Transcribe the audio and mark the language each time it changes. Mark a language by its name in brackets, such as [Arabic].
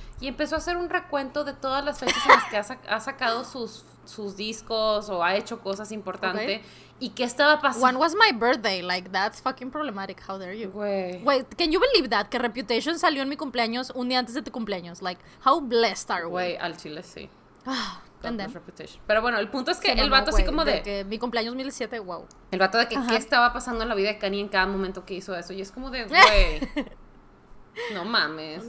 [Spanish] Y empezó a hacer un recuento de todas las fechas en las que ha sacado sus discos o ha hecho cosas importantes. Okay. Y qué estaba pasando. [English] One was my birthday, like that's fucking problematic, how dare you. Wait, can you believe that? [Spanish] Que Reputation salió en mi cumpleaños un día antes de tu cumpleaños. [English] Like, how blessed are we? [Spanish] Wait, al chile sí. Reputation. Pero bueno, el punto es que sí, el vato así como de que mi cumpleaños 2017, wow. El vato de que qué estaba pasando en la vida de Kanye en cada momento que hizo eso. Y es como de, güey, no mames.